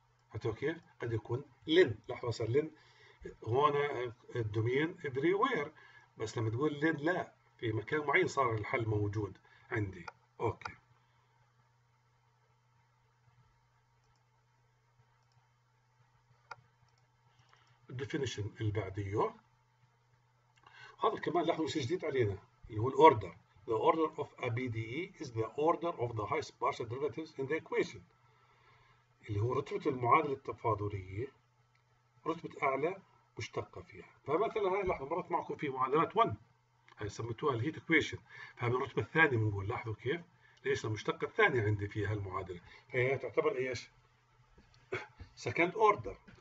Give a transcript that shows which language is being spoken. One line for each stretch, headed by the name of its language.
Arabic: فهمتوا كيف؟ قد يكون لين. لحظة صار لين هون الدومين افري وير، بس لما تقول لين لا، في مكان معين صار الحل موجود عندي. اوكي. الديفينيشن اللي بعديه، هذا كمان لحظة شيء جديد علينا، اللي هو الاوردر.
English: The order of a BDE is the order of the highest partial derivatives in the equation.
Arabic: اللي هو رتبة المعادلة التفاضلية، رتبة أعلى مشتقة فيها. فمثلا هاي لحظة مرت معكم في معادلات 1، هاي سميتوها الهيت إكويشن، فهي من الرتبة الثانية بنقول. لاحظوا كيف؟ ليش؟ المشتقة الثانية عندي فيها المعادلة، فهي تعتبر ايش؟ سكند أوردر.